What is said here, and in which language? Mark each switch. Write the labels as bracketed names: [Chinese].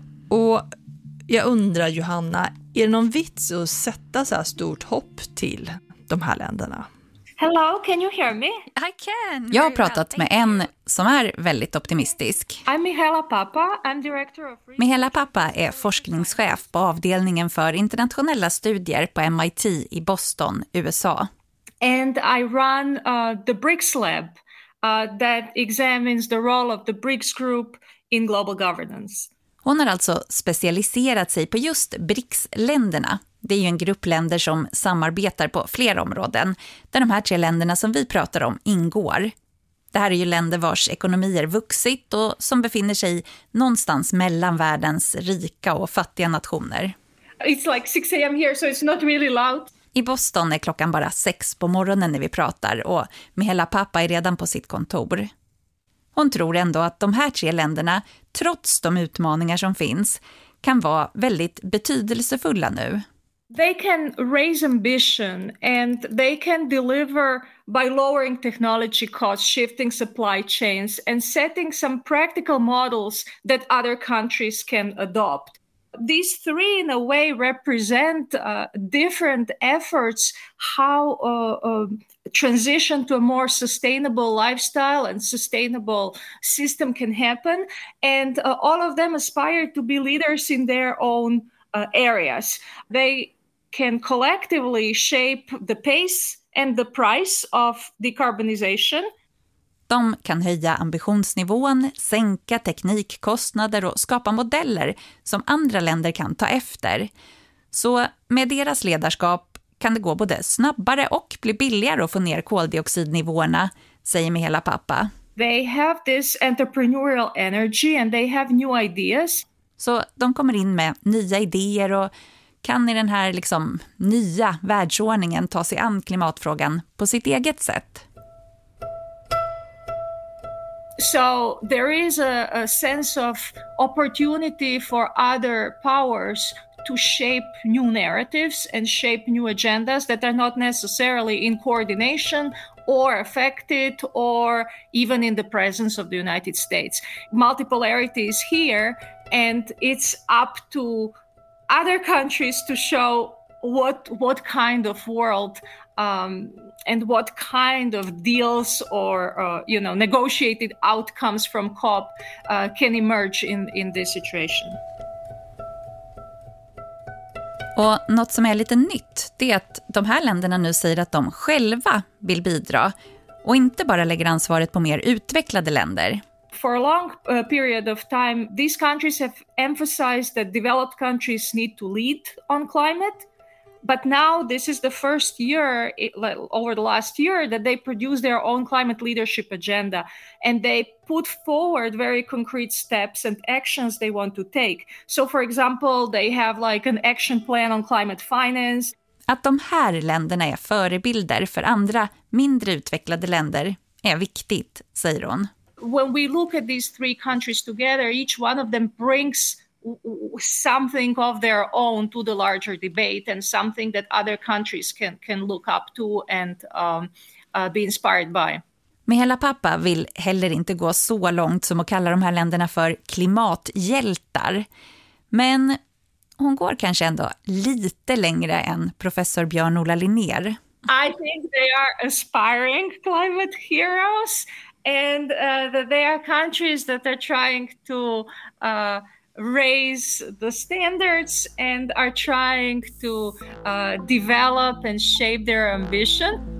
[Swedish] Och jag undrar, Johanna, är det någon vits att sätta så här stort hopp till de här länderna? [English] Hello, can you hear me? I can. [Swedish] Jag har pratat med en som är väldigt optimistisk. [English] I'm Mihaela Papa. I'm director of research. [Swedish] Mihaela Papa är forskningschef på avdelningen för internationella studier på MIT i Boston, USA. [English] And I run the BRICS lab that examines the role of the BRICS group in global governance. [Swedish] Hon har alltså specialiserat sig på just BRICS-länderna. Det är ju en grupp länder som samarbetar på flera områden, där de här tre länderna som vi pratar om ingår. Det här är ju länder vars ekonomier vuxit och som befinner sig någonstans mellan världens rika och fattiga nationer. [English] It's like 6 a.m. here, so it's not really loud. [Swedish] I Boston är klockan bara 6 på morgonen när vi pratar och Mihaela Papa är redan på sitt kontor. Hon tror ändå att de här tre länderna, trots de utmaningar som finns, kan vara väldigt betydelsefulla nu. [English] They can raise ambition and they can deliver by lowering technology costs, shifting supply chains and setting some practical models that other countries can adopt. These three in a way represent different efforts how transition to a more sustainable lifestyle and sustainable system can happen, and all of them aspire to be leaders in their own areas. They can collectively shape the pace and the price of decarbonization. [Swedish] De kan höja ambitionsnivån, sänka teknikkostnader och skapa modeller som andra länder kan ta efter. Så med deras ledarskap kan det gå både snabbare och bli billigare att få ner koldioxidnivåerna, säger Mihaela Papa. [English] They have this entrepreneurial energy and they have new ideas. [Swedish] Så de kommer in med nya idéer och kan i den här liksom nya världsordningen ta sig an klimatfrågan på sitt eget sätt. [English] So there is a sense of opportunity for other powers to shape new narratives and shape new agendas that are not necessarily in coordination or affected or even in the presence of the United States. Multipolarity is here and it's up to other countries to show what kind of world and what kind of deals or you know, negotiated outcomes from COP can emerge in this situation. [Swedish] Och något som är lite nytt, det är att de här länderna nu säger att de själva vill bidra och inte bara lägger ansvaret på mer utvecklade länder. [English] For a long period of time, these countries have emphasized that developed countries need to lead on climate. But now this is the first year, over the last year, that they produce their own climate leadership agenda. And they put forward very concrete steps and actions they want to take. So for example, they have like an action plan on climate finance. [Swedish] Att de här länderna är förebilder för andra mindre utvecklade länder är viktigt, säger hon. [English] When we look at these three countries together, each one of them brings something of their own to the larger debate and something that other countries can look up to and be inspired by. [Swedish] Mihaela Papa vill heller inte gå så långt som att kalla de här länderna för klimathjältar. Men hon går kanske ändå lite längre än professor Björn-Ola Linnér. [English] I think they are aspiring climate heroes and that they are countries that are trying to raise the standards and are trying to develop and shape their ambition.